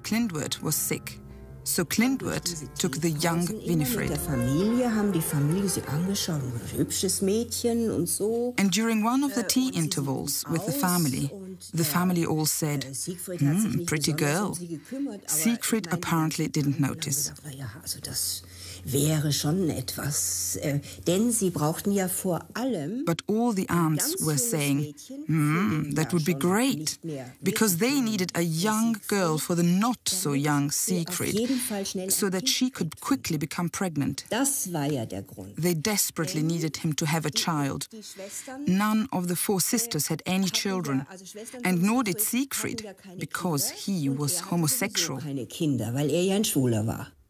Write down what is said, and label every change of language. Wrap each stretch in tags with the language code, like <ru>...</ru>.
<en>Klindworth was sick, so Klindworth took the young Winifred. And during one of the tea intervals with the family, the family all said, pretty girl. Siegfried apparently didn't notice.</en> <de>Wäre schon etwas, denn sie brauchten ja vor allem.</de> <en>But all the aunts were saying, that would be great, because they needed a young girl for the not so young Siegfried, so that she could quickly become pregnant.</en> <de>Das war ja der Grund.</de> <en>They desperately needed him to have a child. None of the four sisters had any children, and nor did Siegfried, because he was homosexual.</en> <de>Keine Kinder, weil er ja ein Schwuler war.</de>